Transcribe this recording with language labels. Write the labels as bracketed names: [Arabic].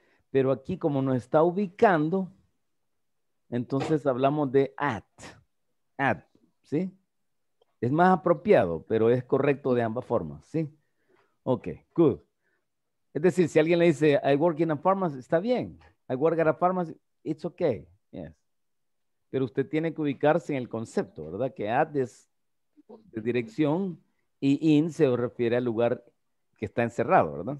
[Spanish] Pero aquí como nos está ubicando, entonces hablamos de at, ¿sí? Es más apropiado, pero es correcto de ambas formas, ¿sí? Ok, good. Es decir, si alguien le dice, [English] I work in a pharmacy, [Spanish] está bien. [English] I work at a pharmacy, it's okay, yes. [Spanish] Pero usted tiene que ubicarse en el concepto, ¿verdad? Que at es de dirección y in se refiere al lugar que está encerrado, ¿verdad?